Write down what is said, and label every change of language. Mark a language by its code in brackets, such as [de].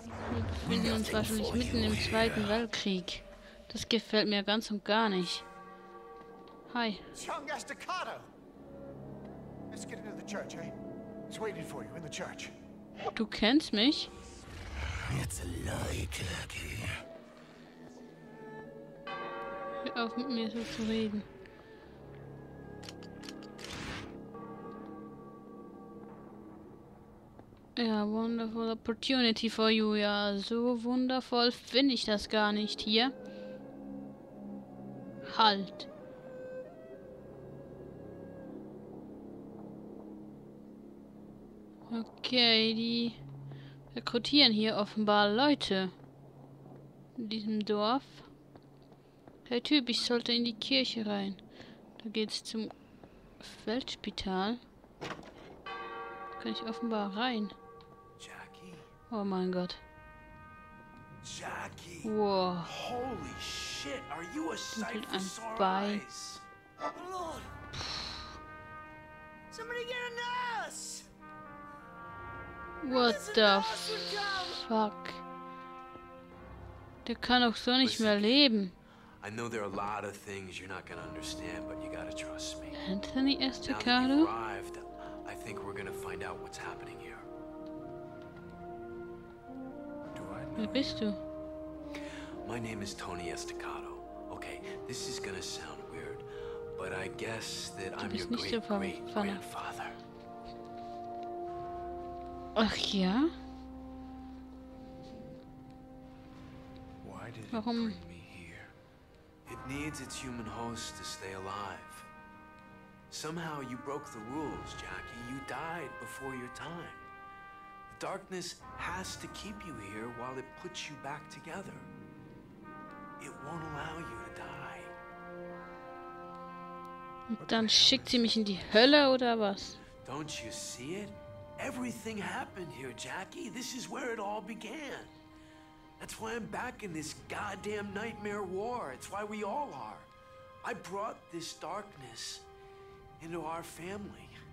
[de] Wir befinden uns wahrscheinlich mitten im Zweiten Weltkrieg. Das gefällt mir ganz und gar nicht. Hi. [en] Young Estacado. Let's get into the church, eh? It's waiting for you in the church. [de] Du kennst mich? [en] It's a lie, Kirky. [de] Hör auf mit mir so zu reden. [en] Ja, wonderful opportunity for you. [de] Ja, so wundervoll finde ich das gar nicht hier. Halt. Okay, die rekrutieren hier offenbar Leute. In diesem Dorf. Hey Typ, ich sollte in die Kirche rein. Da geht's zum Feldspital. Da kann ich offenbar rein. Oh mein Gott. Jackie. [en] Whoa. Holy shit, are you a sight for sore eyes? Oh Lord. Somebody get a nurse. What the fuck? [de] Der kann auch so nicht mehr leben. [en] I know there are a lot of things you're not gonna understand, but you gotta trust me. Anthony Estacado? Now that you arrived, I think we're gonna find out what's happening here. [de] Wer bist du? [en] My name is Tony Estacado. Okay, this is gonna sound weird, but I guess that I'm your great-great-grandfather. [de] Ach ja? [en] Why did it bring me here? It needs its human host to stay alive. Somehow you broke the rules, Jackie. You died before your time. The darkness has to keep you here while it puts you back together. It won't allow you to die. [de] Dann schickt sie mich in die Hölle oder was? [en] Don't you see it? Everything happened here, Jackie. This is where it all began. That's why I'm back in this goddamn nightmare war. It's why we all are. I brought this darkness into our family.